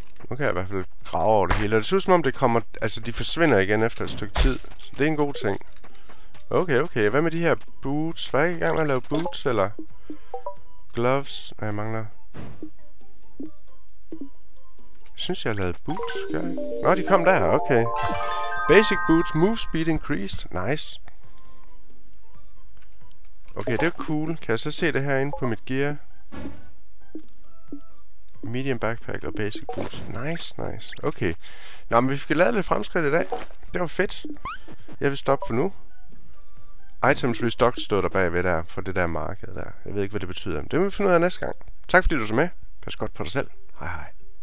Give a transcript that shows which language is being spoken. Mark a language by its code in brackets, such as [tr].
[da] Nu kan jeg i hvert fald grave over det hele. Og det ser ud som om, det kommer... Altså, de forsvinder igen efter et stykke tid. Så det er en god ting. Okay, okay. Hvad med de her boots? Var jeg ikke i gang med at lave boots, eller... Gloves? Nej, jeg mangler... Jeg synes, jeg har lavet boots, gør jeg? Nå, de kom der, okay. [en] Basic boots, move speed increased. Nice. [da] Okay, det er cool. Kan jeg så se det herinde på mit gear? Medium backpack og basic boots. Nice, nice. Okay. Nå, men vi fik lavet lidt fremskridt i dag. Det var fedt. Jeg vil stoppe for nu. [en] Items restocked [da] stod der bagved der, for det der marked der. Jeg ved ikke, hvad det betyder. Det må vi finde ud af næste gang. Tak fordi du så med. Pas godt på dig selv. Hej hej.